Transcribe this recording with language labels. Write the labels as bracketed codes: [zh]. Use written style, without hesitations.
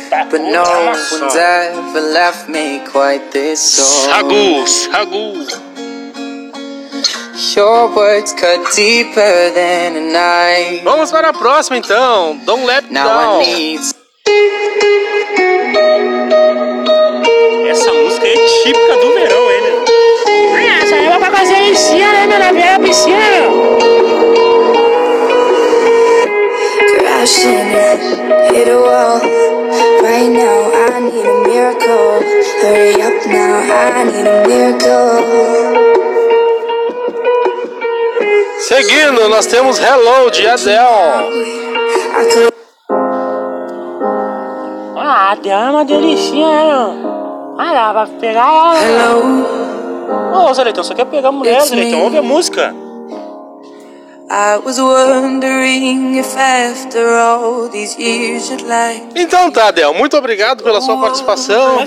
[en] But no one's ever left me quite this old. Sagu, Sagu. Your words cut deeper than a knife. [pt] Vamos para a próxima então. [en] Don't let me down. [pt] Essa música é típica do verão, hein, meu? Ah, essa é pra fazer em cima, né, meu? Na minha piscina, meu. [en] Crashing hit a wall. Right now I need a miracle. Hurry up now, I need a miracle. [pt] Seguindo, nós temos Hello, de Adele. Ah, Adele é uma delicinha, né, meu? Ah, dá pra pegar ela. [en] Hello. [pt] Ô, oh, Zeleitão, só quer pegar a mulher, Zeleitão, ouve a música. [en] I was wondering if after all these years you'd like. [pt] Então tá, Adele, muito obrigado pela sua participação.